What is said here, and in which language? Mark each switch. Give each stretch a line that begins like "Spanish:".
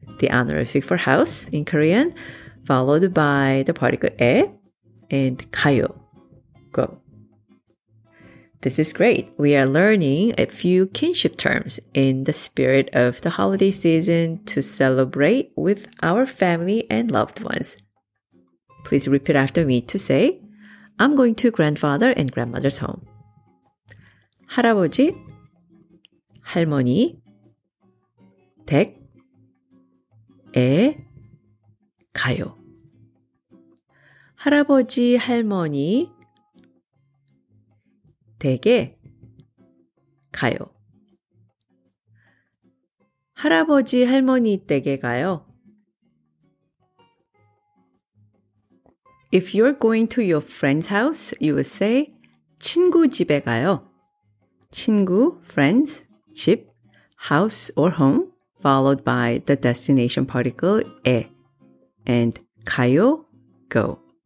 English: the honorific for house in Korean, followed by the particle 에 and 가요. Go. This is great. We are learning a few kinship terms in the spirit of the holiday season to celebrate with our family and loved ones. Please repeat after me to say, I'm going to grandfather and grandmother's home.
Korean: 할아버지, 할머니, 댁에 가요. 할아버지, 할머니, 댁에 가요. 할아버지, 할머니 댁에 가요.
English: If you're going to your friend's house, you would say
Korean: 친구 집에 가요.
English: 친구, friends, 집, house or home, followed by the destination particle 에. And 가요, go.